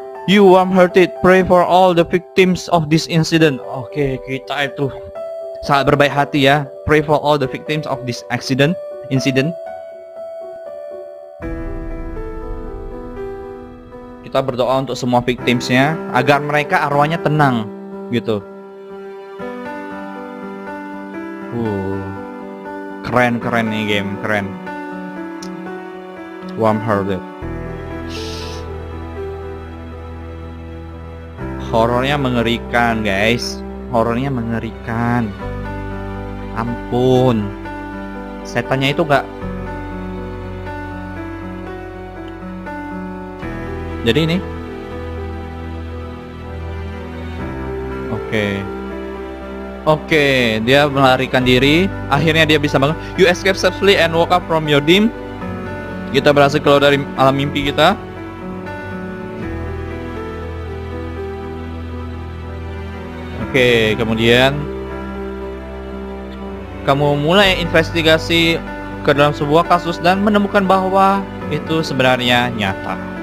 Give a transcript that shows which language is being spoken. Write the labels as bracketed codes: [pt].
[en] You warm hearted pray for all the victims of this incident. [id] Oke, kita itu sangat berbaik hati ya. [en] Pray for all the victims of this incident. [id] Kita berdoa untuk semua victims-nya agar mereka arwahnya tenang gitu. Keren keren nih game, keren. [en] Warm Hearted. [id] Horornya mengerikan, guys. Horornya mengerikan. Ampun. Setannya itu enggak. Jadi ini. Oke, dia melarikan diri. Akhirnya dia bisa bangun. [en] You escape safely and woke up from your dream. [id] Kita berhasil keluar dari alam mimpi kita. Oke, kemudian kamu mulai investigasi ke dalam sebuah kasus dan menemukan bahwa itu sebenarnya nyata.